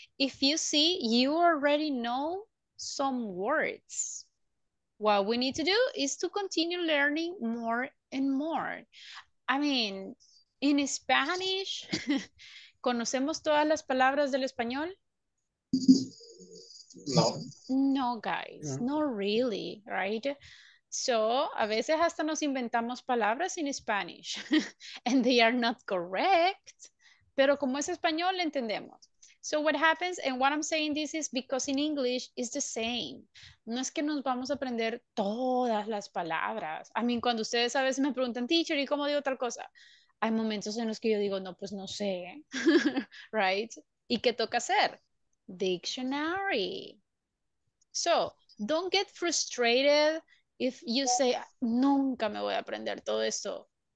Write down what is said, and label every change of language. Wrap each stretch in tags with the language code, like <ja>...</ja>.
<en>If you see, you already know some words. What we need to do is to continue learning more and more. I mean,</en> <es>in Spanish, ¿conocemos todas las palabras del español? No.</es> <en>No, guys, no. Not really, right? So,</en> <es>a veces hasta nos inventamos palabras</es> <en>in Spanish and they are not correct,</en> <es>pero como es español, entendemos.</es> <en>So what happens, and what I'm saying this is because in English it's the same.</en> <es>No es que nos vamos a aprender todas las palabras.</es> <en>I mean,</en> <es>cuando ustedes a veces me preguntan, teacher, ¿y cómo digo tal cosa? Hay momentos en los que yo digo, no, pues no sé,</es> <en>right?</en> <es>¿Y qué toca hacer?</es> <en>Dictionary. So, don't get frustrated if you say,</en> <es>nunca me voy a aprender todo esto.</es>